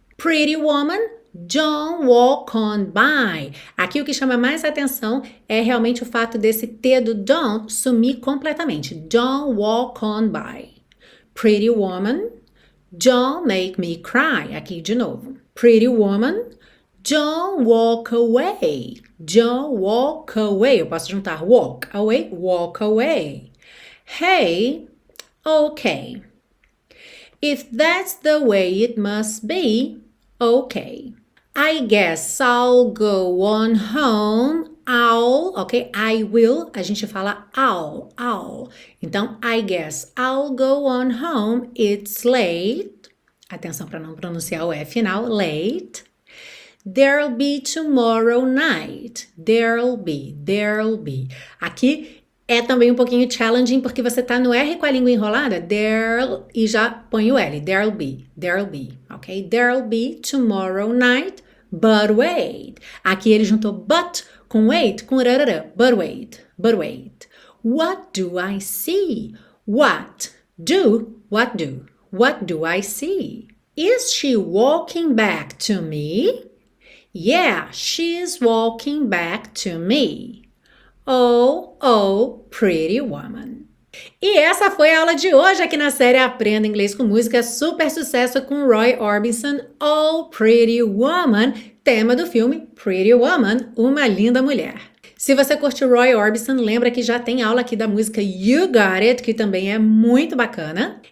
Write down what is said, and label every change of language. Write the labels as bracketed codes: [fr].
[en] Pretty woman, don't walk on by. [pt] Aqui o que chama mais atenção é realmente o fato desse T do don't sumir completamente. [en] Don't walk on by. Pretty woman, don't make me cry. [pt] Aqui de novo. [en] Pretty woman, don't walk away. Don't walk away. [pt] Eu posso juntar [en] walk away, walk away. Hey, okay. If that's the way it must be, okay. I guess I'll go on home. I'll, ok? I will, [pt] a gente fala [en] I'll, I'll. Então, I guess I'll go on home. It's late. [pt] Atenção para não pronunciar o E final, late. [en] There'll be tomorrow night. There'll be, there'll be. [pt] Aqui é também um pouquinho challenging porque você tá no R com a língua enrolada, there'll, e já põe o L, [en] there'll be, there'll be, [pt] ok? [en] There'll be tomorrow night, but wait. [pt] Aqui ele juntou but com wait, com rarara, [en] but wait, but wait. What do I see? What do, what do? What do I see? Is she walking back to me? Yeah, she's walking back to me. Oh, oh, pretty woman. [pt] E essa foi a aula de hoje aqui na série Aprenda Inglês com Música, super sucesso com Roy Orbison, Oh, Pretty Woman, tema do filme Pretty Woman, Uma Linda Mulher. Se você curte Roy Orbison, lembra que já tem aula aqui da música You Got It, que também é muito bacana.